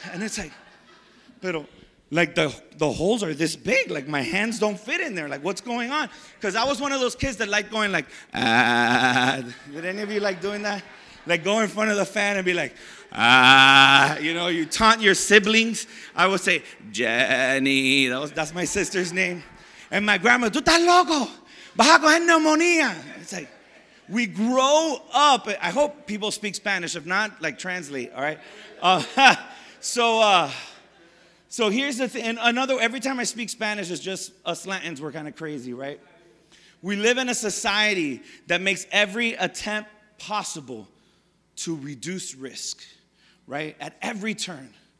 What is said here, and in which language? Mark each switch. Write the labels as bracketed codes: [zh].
[en] And it's like, pero, like the holes are this big, like my hands don't fit in there. Like, what's going on? Because I was one of those kids that liked going like, ah. Did any of you like doing that? Like go in front of the fan and be like, ah, you know, you taunt your siblings. I would say, Jenny, that's my sister's name. And my grandma, [es] tú estás loco, vas a coger neumonía. [en] It's like, we grow up. I hope people speak Spanish. If not, like translate, all right? So here's the thing. Another, every time I speak Spanish, it's just us Latins. We're kind of crazy, right? We live in a society that makes every attempt possible to reduce risk, right? At every turn.